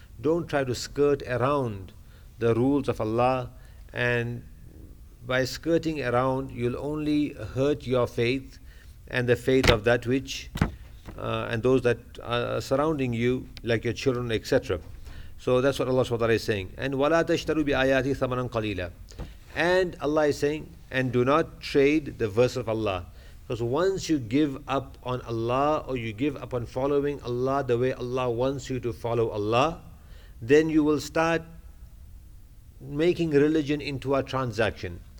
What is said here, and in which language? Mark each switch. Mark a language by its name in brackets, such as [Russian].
[English] Don't try to skirt around the rules of Allah, and by skirting around, you'll only hurt your faith and the faith of that which and those that are surrounding you, like your children, etc. So that's what Allah is saying. [Arabic] And وَلَا تَشْتَرُوا بِآيَاتِي ثَمَنًا قَلِيلًا. [English] And Allah is saying, and do not trade the verse of Allah. Because once you give up on Allah, or you give up on following Allah the way Allah wants you to follow Allah, then you will start making religion into a transaction.